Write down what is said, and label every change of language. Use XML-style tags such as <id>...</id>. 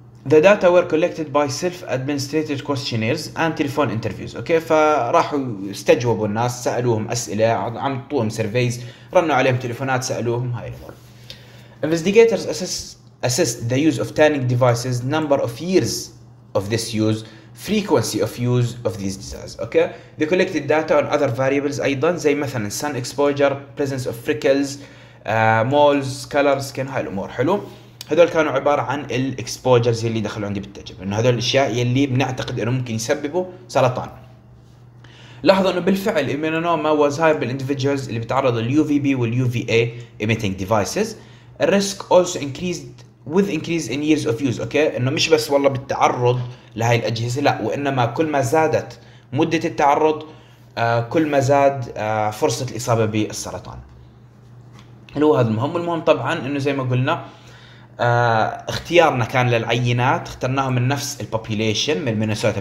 <en>The data were collected by self-administered questionnaires and telephone interviews.</en> <ar>Okay, فراحوا استجوبوا الناس، سألوهم أسئلة، عم طوهم surveys، رنوا عليهم تليفونات، سألوهم هاي الأمور.</ar> <en>Investigators assessed the use of tanning devices, number of years of this use, frequency of use of these diseases. Okay, they collected data on other variables</en> <ar>أيضا زي مثلا</ar> <en>sun exposure, presence of freckles, moles, color, skin.</en> <ar>هاي الأمور حلو. هذول كانوا عبارة عن ال exposures اللي دخلوا عندي بالتجربة، إنه هذول الأشياء اللي بنعتقد إنه ممكن يسببوا سرطان. لاحظوا إنه بالفعل الميلانوما</ar> <en>was higher in individuals</en> <ar>اللي بتعرضوا ال</ar> <en>UVB وال UVA emitting devices. The risk also increased with increase in years of use.</en> <ar>أوكي، إنه مش بس والله بالتعرض لهاي الأجهزة، لا، وإنما كل ما زادت مدة التعرض كل ما زاد فرصة الإصابة بالسرطان. هو هذا المهم. المهم طبعا إنه زي ما قلنا اختيارنا كان للعينات، اخترناهم من نفس البوبوليشن من مينيسوتا.</ar>